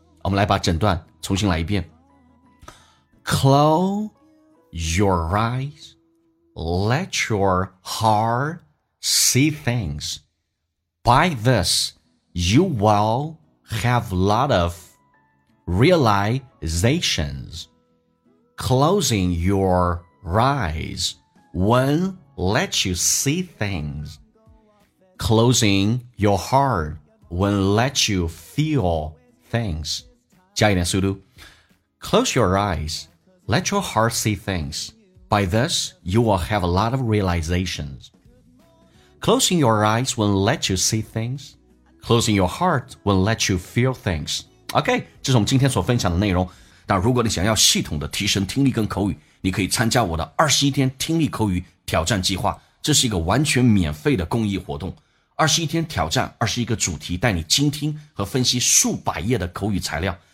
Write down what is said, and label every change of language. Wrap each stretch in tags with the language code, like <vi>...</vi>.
<zh>我们来把整段重新来一遍。</zh> <en>Close your eyes, let your heart see things. By this, you will have a lot ofrealizations. Closing your eyes will let you see things. Closing your heart will let you feel things.</en> <zh>加一点速度。</zh> <en>Close your eyes, let your heart see things. By this, you will have a lot of realizations. Closing your eyes will let you see things. Closing your heart will let you feel things.</en> <zh>OK, 这是我们今天所分享的内容。但如果你想要系统的提升听力跟口语，你可以参加我的21天听力口语挑战计划。这是一个完全免费的公益活动。21天挑战21个主题，带你精听和分析数百页的口语材料。</zh>